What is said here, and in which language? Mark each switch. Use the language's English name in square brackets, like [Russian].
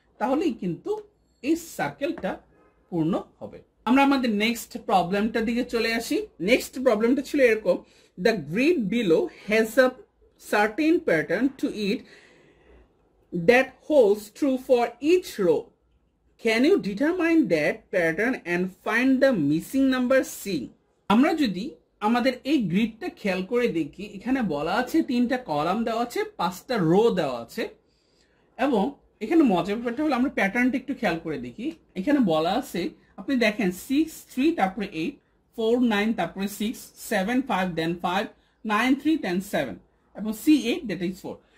[Bangla] তাহলেই কিন্তু এই সার্কেলটা পূর্ণ হবে। আমরা আমাদের নেক্সট প্রবলেমটার দিকে চলে আসি। নেক্সট প্রবলেমটা ছিল এরকম, [English] The grid below has a certain pattern to it that holds true for each row. Can you determine that pattern and find the missing number C? [Bangla] আমরা যদি আমাদের এই গ্রিডটা খেয়াল করে দেখি, এখানে বলা আছে তিনটা কলাম দেওয়া আছে, পাঁচটা রো দেওয়া আছে, এবং এখানে মজার ব্যাপারটা হলো আমরা প্যাটার্নটা একটু খেয়াল করে দেখি। এখানে বলা আছে, আপনি দেখেন 6 3, তারপরে 8 4 9, তারপরে 6 7 5, দেন 5 9 3 10 7, এবং C8, দ্যাট ইজ 4।